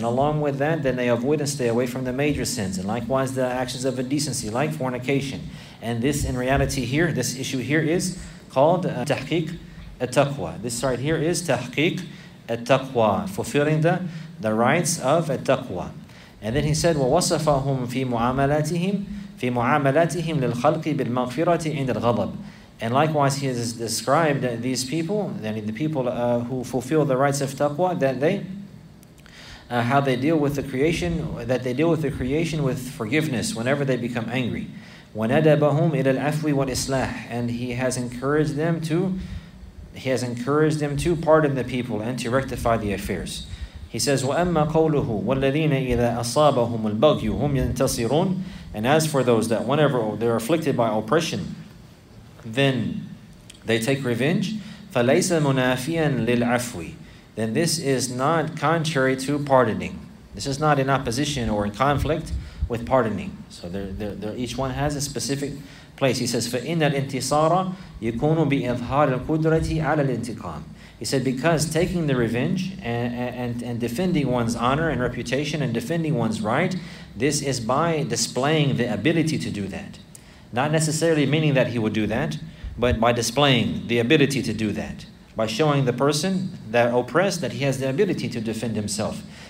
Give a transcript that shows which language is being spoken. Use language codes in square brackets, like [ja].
[en] And along with that, then they avoid and stay away from the major sins, and likewise the actions of indecency like fornication. And this, in reality, here, this issue here is called tahqiq at-taqwa. This right here is tahqiq التقوى, fulfilling the rights of التقوى. And then he said, [ar] وَوَصَفَهُمْ فِي مُعَامَلَاتِهِمْ لِلْخَلْقِ بِالْمَغْفِرَةِ عِنْدَ الْغَضَبِ. [en] And likewise, he has described these people, the people who fulfill the rights of taqwa, that they, how they deal with the creation, that they deal with the creation with forgiveness whenever they become angry. [ar] وَنَدَبَهُمْ إِلَى الْعَفْوِ وَالْإِصْلَاحِ. [en] And he has encouraged them to, He has encouraged them to pardon the people and to rectify the affairs. He says, [ar] وَأَمَّا قَوْلُهُ وَالَّذِينَ إِذَا أَصَابَهُمُ الْبَغْيُ هُمْ يَنْتَصِرُونَ. [en] And as for those that whenever they're afflicted by oppression, then they take revenge. [ar] فَلَيْسَ مُنَافِيًا لِلْعَفْوِ. [en] Then this is not contrary to pardoning. This is not in opposition or in conflict with pardoning. So they're, each one has a specific place. He says, [ar] فَإِنَّ الْإِنْتِصَارَ يَكُونُ بِإِظْهَارِ الْقُدْرَةِ عَلَى الْإِنْتِقَامِ. [en] He said, because taking the revenge and defending one's honor and reputation and defending one's right, this is by displaying the ability to do that. Not necessarily meaning that he would do that, but by displaying the ability to do that. By showing the person that oppressed that he has the ability to defend himself.